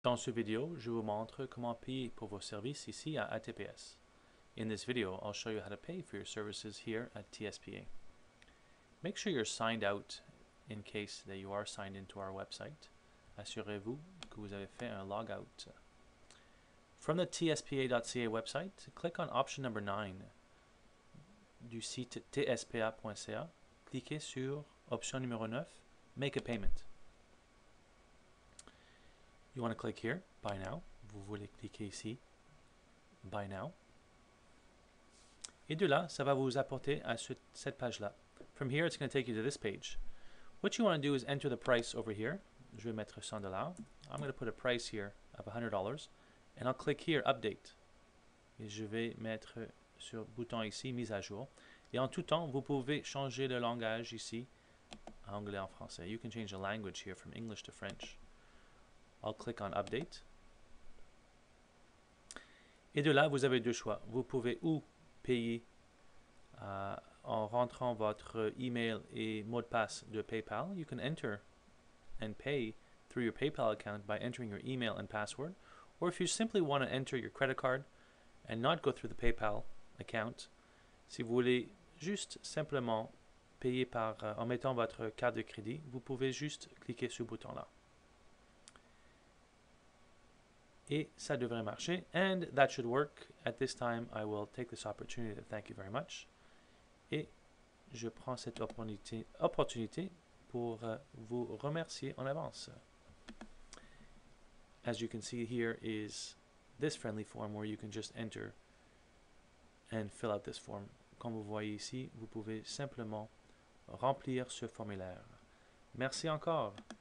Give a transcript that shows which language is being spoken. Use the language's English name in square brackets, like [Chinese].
[French] Dans ce vidéo, je vous montre comment payer pour vos services ici à ATPS. [English] In this video, I'll show you how to pay for your services here at TSPA. Make sure you're signed out in case that you are signed into our website. [French] Assurez-vous que vous avez fait un logout. [English] From the tspa.ca website, click on option number 9 [French] du site tspa.ca. Cliquez sur option numéro 9, [English] make a payment. You want to click here, buy now. [French] Vous voulez cliquer ici, [English] buy now. [French] Et de là, ça va vous apporter à cette page-là. [English] From here, it's going to take you to this page. What you want to do is enter the price over here. [French] Je vais mettre 100$. [English] I'm going to put a price here of $100. And I'll click here, update. [French] Et je vais mettre sur bouton ici, mise à jour. Et en tout temps, vous pouvez changer le langage ici, en anglais, en français. [English] You can change the language here from English to French. I'll click on update. [French] Et de là, vous avez deux choix. Vous pouvez ou payer en rentrant votre email et mot de passe de PayPal. [English] You can enter and pay through your PayPal account by entering your email and password. Or if you simply want to enter your credit card and not go through the PayPal account, [French] si vous voulez juste simplement payer par en mettant votre carte de crédit, vous pouvez juste cliquer sur ce bouton-là. Et ça devrait marcher. [English] And that should work. At this time, I will take this opportunity to thank you very much. [French] Et je prends cette opportunité pour vous remercier en avance. [English] As you can see, here is this friendly form where you can just enter and fill out this form. [French] Comme vous voyez ici, vous pouvez simplement remplir ce formulaire. Merci encore.